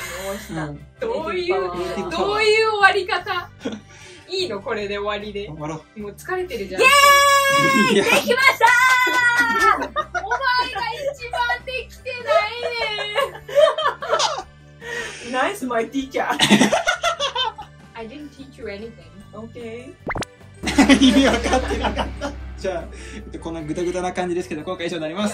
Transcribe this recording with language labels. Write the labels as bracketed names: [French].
[Japanese] 思い知った、うん、どういう終わり方いいのこれで終わりで頑張ろうもう疲れてるじゃんイエーイできましたーお前が一番できてないね [English] ナイスマイティーチャー I didn't teach you anything Okay [Japanese] 意味わかってなかったじゃあ、こんなグダグダな感じですけど、今回以上になります。